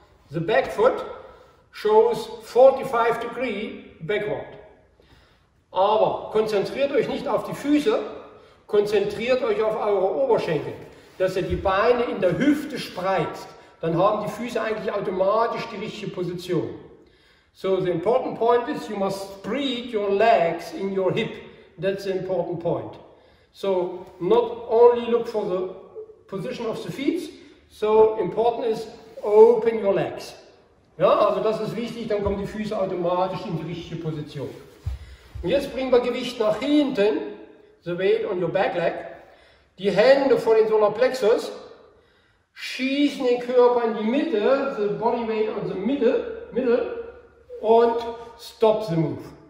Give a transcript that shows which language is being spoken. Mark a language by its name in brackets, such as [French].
[English] The back foot shows 45 degree backward. [German] Aber konzentriert euch nicht auf die Füße, konzentriert euch auf eure Oberschenkel, dass ihr die Beine in der Hüfte spreizt. Dann haben die Füße eigentlich automatisch die richtige Position. [English] So the important point is you must spread your legs in your hip. That's the important point. So not only look for the position of the feet, so important is open your legs. [German] Ja, also das ist wichtig, dann kommen die Füße automatisch in die richtige Position. Und jetzt bringen wir Gewicht nach hinten, [English] the weight on your back leg. [German] Die Hände vor den Solar Plexus schießen den Körper in die Mitte, [English] the body weight on the middle, [German] und [English] stop the move.